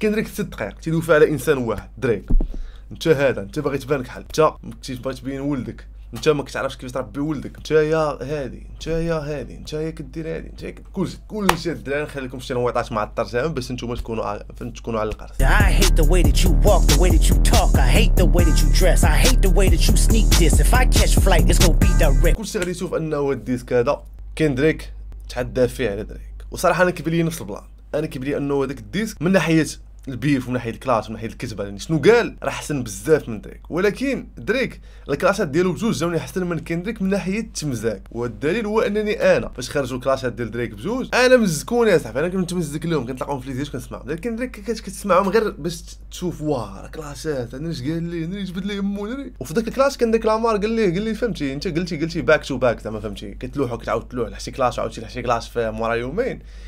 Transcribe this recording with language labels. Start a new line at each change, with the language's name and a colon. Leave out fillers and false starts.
Arabic: كندريك 6 دقائق تيدوف على انسان واحد دريك انت هذا انت باغي تبان كحل انت ما كنتيش باغي تبين ولدك انت ما كتعرفش كيفاش تربي ولدك انت يا هادي انت يا هادي انت يا كدير هادي انت كلشي الدراري نخليكم شي نويطات مع الترجمه باش نتوما تكونوا فهمت تكونوا على القرص.
English: I hate the way that you walk the way that you talk I hate the way that you dress I hate the way that you sneak this if I catch flight it's gonna be direct.
Arabic: كلشي غادي يشوف انه الديسك هذا كندريك تحدى فيه على دريك وصراحه انا كيبان لي نفس البلان انا كيبان لي انه هذاك الديسك من ناحيه البيف ومن ناحيه الكلاس ومن ناحيه الكذبه يعني شنو قال راه احسن بزاف من دريك ولكن دريك الكلاسات ديالو بجوج جاوني احسن من كندريك من ناحيه التمزاك والدليل هو انني انا فاش خرجوا الكلاسات ديال دريك بجوج انا مزكون يا صاحبي انا كنت مزك لهم كنتلاقاهم في ليزيش كنسمعهم لكن دريك كتسمعهم غير باش تشوف واه راه كلاسات انا اش قال لي انا اش جبد لي امو دري وفي ذاك الكلاس كان داك لامار قال لي فهمتي انت قلتي باك تو باك زعما فهمتي كتلوح وكتعاود تلوح لحشي كلاس وعاودتي لحشي كلاس في مورا يومين